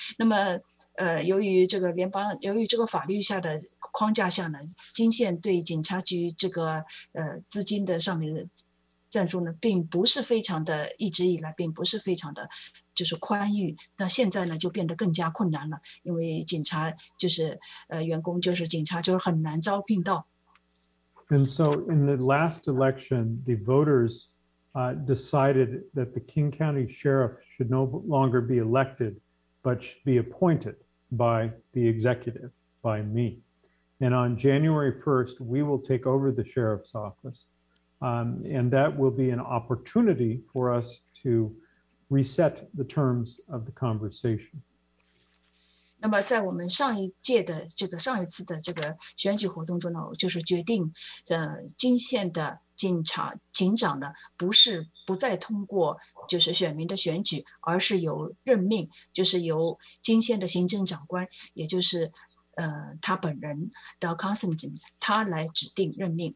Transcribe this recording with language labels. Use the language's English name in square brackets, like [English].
[Chinese] 那么由于这个法律下的框架下呢，金县对警察局这个资金的上面的赞助呢并不是非常的，一直以来并不是非常的就是宽裕，那现在呢就变得更加困难了，因为警察就是员工就是警察就是很难招聘到。 [English] And so in the last election, the voters decided that the King County Sheriff should no longer be elected, but should be appointed by the executive, by me. And on January 1st, we will take over the sheriff's office. And that will be an opportunity for us to reset the terms of the conversation. [Chinese] 那么在我们上一届的这个上一次的这个选举活动中呢，就是决定金县的警长呢不再通过就是选民的选举，而是由任命，就是由金县的行政长官，也就是他本人 Dal Constantine 他来指定任命。